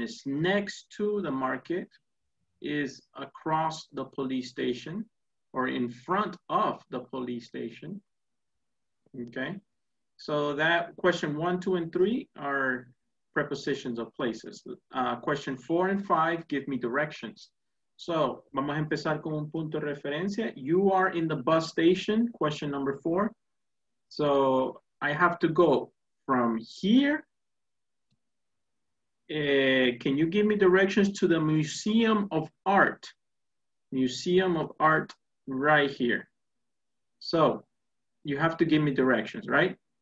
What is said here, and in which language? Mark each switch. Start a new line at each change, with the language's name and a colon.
English: It's next to the market, is across the police station, or in front of the police station. Okay, so that question one, two, and three are prepositions of places. Question four and five give me directions.
Spanish: So, vamos a empezar con un punto de referencia.
English: You are in the bus station, question number four. So, I have to go from here. Can you give me directions to the Museum of Art? Museum of Art right here. So, you have to give me directions, right?